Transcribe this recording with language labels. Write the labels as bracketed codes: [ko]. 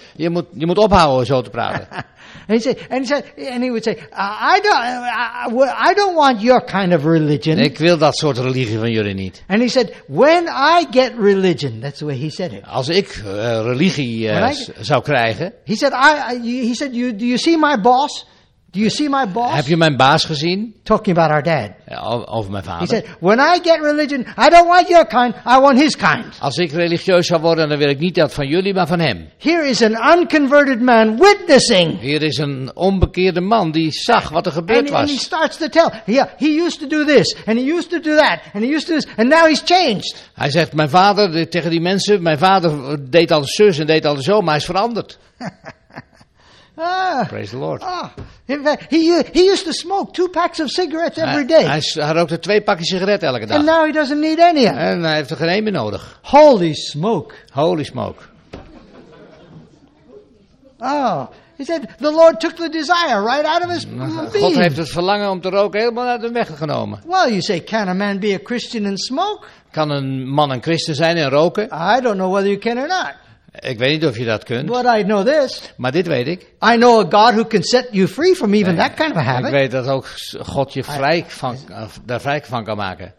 [nl] Je moet ophouden zo te praten. [en] And he would say, I don't want your kind of religion. [nl] Ik wil dat soort religie van jullie niet. [en] And he said, when I get religion, that's the way he said it. [nl] Als ik religie zou krijgen. [en] He said, do you see my boss? Do you see my boss? [nl] Heb je mijn baas gezien? [en] Talking about our dad. [nl] Over mijn vader. [en] He said, when I get religion, I don't want your kind, I want his kind. [nl] Als ik religieus zou worden, dan wil ik niet dat van jullie, maar van hem. [en] Here is an unconverted man witnessing. [nl] Hier is een onbekeerde man die zag wat er gebeurd was. [en] And he starts to tell. Yeah, he used to do this, and he used to do that, and he used to do this, and now he's changed. [nl] Hij zegt, mijn vader, tegen die mensen, mijn vader deed alles zus en deed alles zo, maar hij is veranderd. [en] Praise the Lord. He used to smoke 2 packs of cigarettes every day. [nl] Hij rookte 2 pakjes sigaretten elke dag. [en] And now he doesn't need any. [nl] En hij heeft er geen één meer nodig. [en] Holy smoke. Oh, he said the Lord took the desire right out of his being. [nl] God heeft het verlangen om te roken helemaal uit hem weggenomen. [en] Well, you say, can a man be a Christian and smoke? [nl] Kan een man een christen zijn en roken? [en] I don't know whether you can or not. [nl] Ik weet niet of je dat kunt. [en] But I know this. [nl] Maar dit weet ik. [en] I know a God who can set you free from even that kind of a habit. [nl] Ik weet dat ook God je vrij van kan maken.